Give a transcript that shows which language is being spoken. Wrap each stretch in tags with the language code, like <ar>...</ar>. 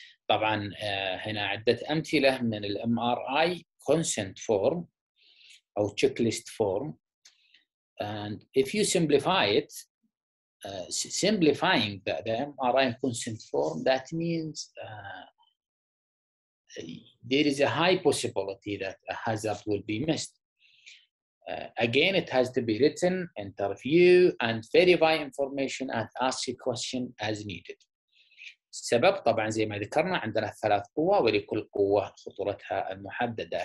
<ar>طبعا هنا عدة أمثلة من الـ MRI consent form أو checklist form.</ar> <en>And if you simplify it, simplifying the MRI consent form, that means there is a high possibility that a hazard will be missed. Again, it has to be written, interview, and verify information and ask a question as needed.</en> <ar>السبب طبعا زي ما ذكرنا عندنا ثلاث قوة ولكل قوة خطورتها المحددة.</ar>